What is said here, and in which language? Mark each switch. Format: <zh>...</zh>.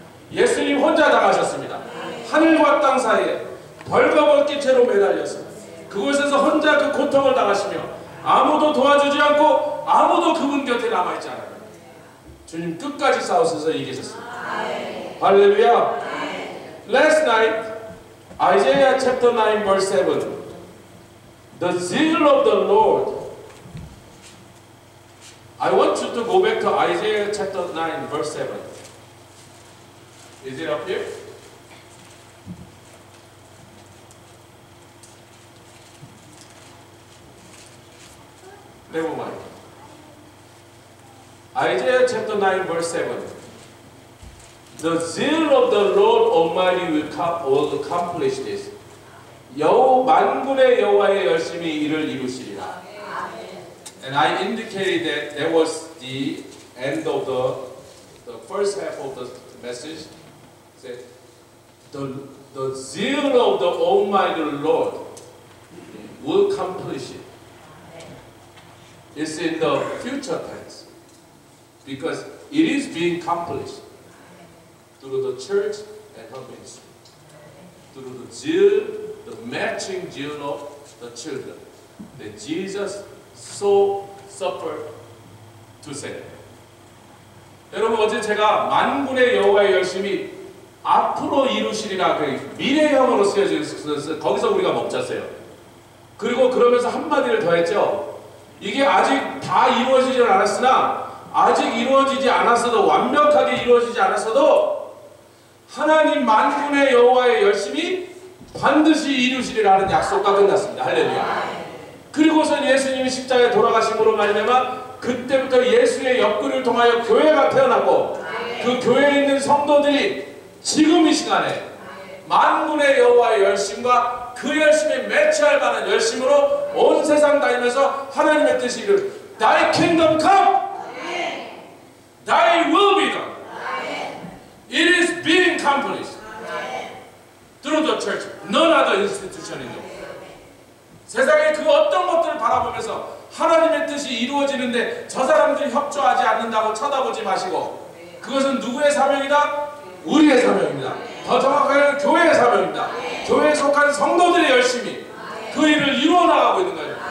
<ko>예수님 혼자 당하셨습니다. 하늘과 땅 사이에 벌거벗기 채로 매달려서 그곳에서 혼자 그 고통을 당하시며 아무도 도와주지 않고 아무도 그분 곁에 남아있지 않았습니다. 주님 끝까지 싸우셔서 이기셨습니다. 할렐루야.</ko> <en>Last night Isaiah chapter 9 verse 7 The zeal of the Lord I want you to go back to Isaiah chapter 9 verse 7 Is it up here? Never mind Isaiah chapter 9 verse 7 The zeal of the Lord Almighty will accomplish this.</en> <ko>만군의 여호와의 열심이 이를 이루시리라.</ko> <en>And I indicated that that was the end of the first half of the message. Said the zeal of the Almighty Lord will accomplish it. It's in the future tense because it is being accomplished. Through the church and her ministry. Through the zeal, the matching zeal of the children that Jesus so suffered to save.</en> <ko>여러분, 어제 제가 만군의 여호와의 열심이 앞으로 이루시리라, 미래형으로 쓰여져서 거기서 우리가 멈췄어요. 그리고 그러면서 한마디를 더했죠. 이게 아직 다 이루어지진 않았으나, 아직 이루어지지 않았어도, 완벽하게 이루어지지 않았어도, 하나님 만군의 여호와의 열심이 반드시 이루시리라는 약속과 끝났습니다. 할렐루야. 그리고선 예수님이 십자가에 돌아가심으로 말미암아 그때부터 예수의 옆구리를 통하여 교회가 태어났고 그 교회에 있는 성도들이 지금 이 시간에 만군의 여호와의 열심과 그 열심에 매치할 만한 열심으로 온 세상 다니면서 하나님의 뜻이 이룰</ko> <en>Thy kingdom come! Thy will be done! It is being accomplished through the church, none other institution in the world.</en> <ko>세상의 그 어떤 것들을 바라보면서 하나님의 뜻이 이루어지는데 저 사람들이 협조하지 않는다고 쳐다보지 마시고 그것은 누구의 사명이다? 우리의 사명입니다. 더 정확하게는 교회의 사명입니다. 교회에 속한 성도들의 열심이 그 일을 이루어나가고 있는 거예요.</ko>